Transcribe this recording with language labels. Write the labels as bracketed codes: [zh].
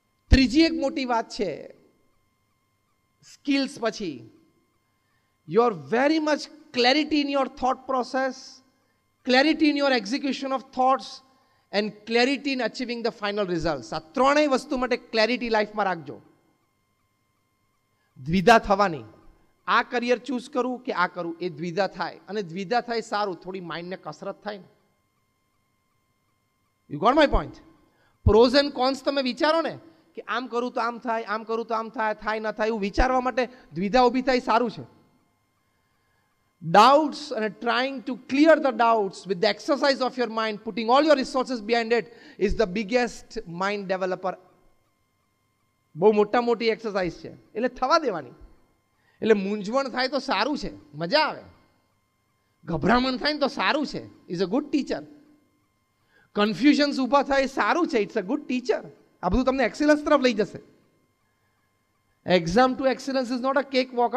[gu] Triji ek moti baat chhe, skills pachi. [en] You are very much clarity in your thought process, clarity in your execution of thoughts, and clarity in achieving the final results. [gu] આ ત્રણેય વસ્તુ માટે clarity લાઈફમાં રાખજો. દ્વિધા થવાની, આ career choose કરું કે આ કરું, એ દ્વિધા થાય. અને દ્વિધા થાય સારું, થોડી માઇન્ડને કસરત થાય. [en] You got my point? [gu] Pros and cones તમે વિચારો ને કે આમ કરું તો આમ થાય, આમ કરું તો આમ થાય, થાય ન થાય, એવું વિચારવા માટે દ્વિધા ઊભી થાય સારું છે. [en] Doubts and trying to clear the doubts with the exercise of your mind, putting all your resources behind it, is the biggest mind developer. [gu] બહુ મોટા મોટી એક્સરસાઇઝ છે, એટલે થવા દેવાની. એટલે મૂંઝવણ થાય તો સારું છે, મજા આવે. ગભરામણ થાય ને તો સારું છે, [en] Is a good teacher. [gu] Confusions ઊભા થાય સારું છે, [en] It's a good teacher. [gu] આ બધું તમને એક્સેલન્સ તરફ લઈ જશે. [en] Exam to excellence is not a cakewalk.